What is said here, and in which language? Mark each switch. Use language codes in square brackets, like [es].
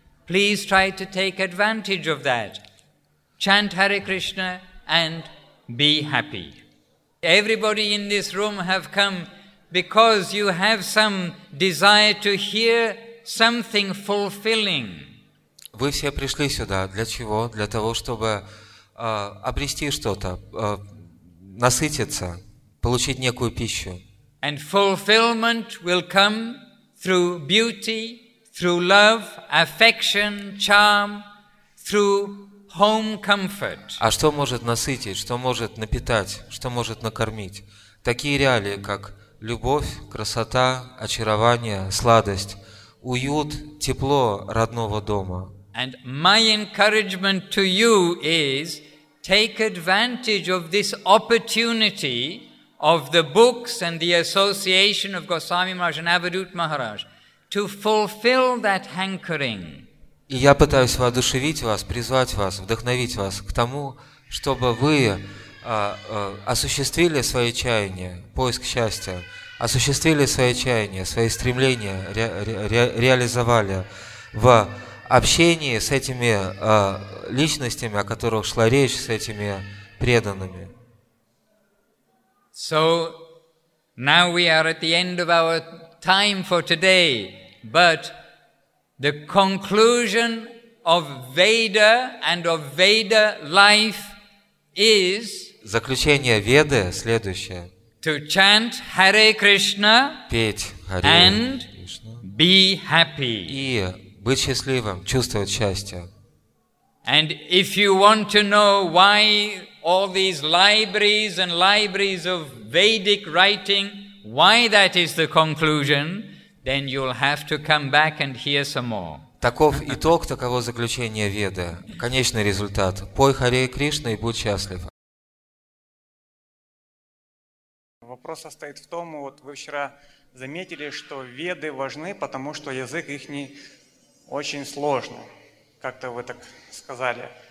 [en] Please try to take advantage of that. Chant Hare Krishna and be happy. Everybody in this room have come because you have some desire to hear something fulfilling. [ru] Вы все пришли сюда для чего? Для того, чтобы обрести что-то, насытиться, получить некую пищу. [en] And fulfillment will come through beauty, through love, affection, charm, through home comfort. [ru] А что может насытить, что может напитать, что может накормить? Такие реалии, как любовь, красота, очарование, сладость, уют, тепло родного дома. [en] And my encouragement to you is take advantage of this opportunity of the books and the association of Goswami Maharaj and Avadhut Maharaj to fulfill that hankering. [ru] И я пытаюсь воодушевить вас, призвать вас, вдохновить вас к тому, чтобы вы осуществили свои чаяния, поиск счастья, осуществили свои чаяния, свои стремления, реализовали в общении с этими личностями, о которых шла речь, с этими преданными. [en] So, now we are at the end of our time for today, but the conclusion of Veda and of Veda life is [ru] заключение Веды следующее. [en] To chant Hare Krishna, [ru] петь Hare [en] and Krishna. Be happy. [ru] И быть счастливым, чувствовать счастье. [en] And if you want to know why all these libraries and libraries of Vedic writing, why that is the conclusion, then you'll have to come back and hear some more. [ru] Таков итог, таково заключение Веды. Конечный результат. Пой Харе Кришна и будь счастлив. Вопрос состоит в том, вот вы вчера заметили, что Веды важны, потому что язык их не очень сложно, как-то вы так сказали.